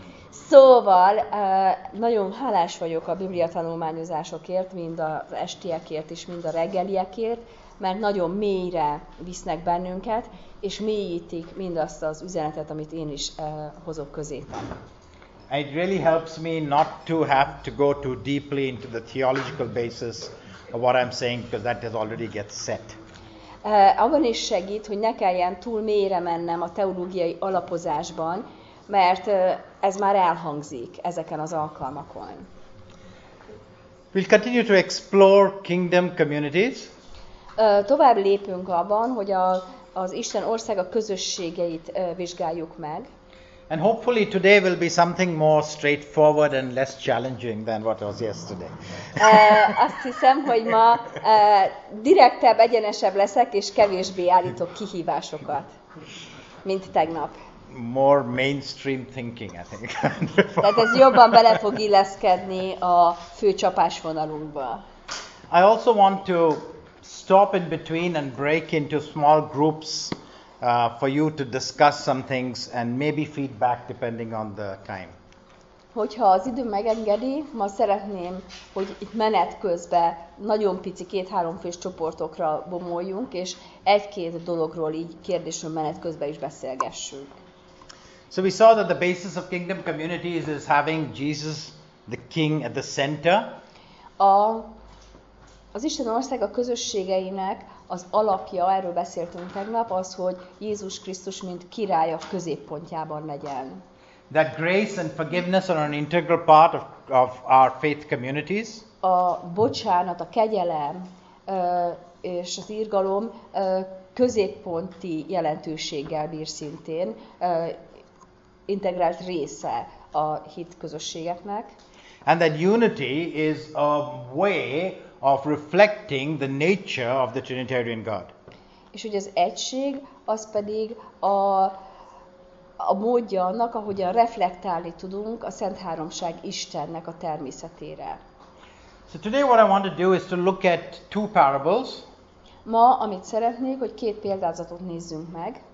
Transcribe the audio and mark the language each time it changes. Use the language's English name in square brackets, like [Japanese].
[Hungarian] Szóval, nagyon hálás vagyok a Biblia tanulmányozásokért, mind az estiekért és mind a reggeliekért, mert nagyon mélyre visznek bennünket, és mélyítik mindazt az üzenetet, amit én is hozok közétek. [English] It really helps me not to have to go too deeply into the theological basis of what I'm saying, because that has already get set. [Hungarian] Abban is segít, hogy ne kelljen túl mélyre mennem a teológiai alapozásban, mert ez már elhangzik ezeken az alkalmakon. [English] We'll continue to explore kingdom communities. [Hungarian] Tovább lépünk abban, hogy az Isten országa közösségeit vizsgáljuk meg. [English] And hopefully today will be something more straightforward and less challenging than what was yesterday. [Hungarian] Azt hiszem, hogy ma direktebb, egyenesebb leszek, és kevésbé állítok kihívásokat, mint tegnap. [English] More mainstream thinking, I think. [Hungarian] Tehát ez jobban bele fog illeszkedni a fő csapásvonalunkba. [English] I also want to stop in between and break into small groups for you to discuss some things and maybe feedback depending on the time. [Hungarian] Hogyha az idő megengedi, ma szeretném, hogy itt menet közben nagyon pici két-három fős csoportokra bomoljunk, és egy-két dologról így kérdésről menet közben is beszélgessünk. [English] So we saw that the basis of kingdom communities is having Jesus the King at the center. [Hungarian] Az Isten országa közösségeinek az alapja, erről beszéltünk tegnap, az, hogy Jézus Krisztus mint király a középpontjában legyen. [English] That grace and forgiveness are an integral part of our faith communities. [Hungarian] A bocsánat, a kegyelem és az irgalom középponti jelentőséggel bír szintén, integrált része a hit közösségeknek. [English] And that unity is a way of reflecting the nature of the Trinitarian God. [Hungarian] És hogy az egység az pedig a módja annak, ahogyan reflektálni tudunk a Szent Háromság Istennek a természetére. [English] So today what I want to do is to look at two parables. [Hungarian] Ma amit szeretnék, hogy két példázatot nézzünk meg.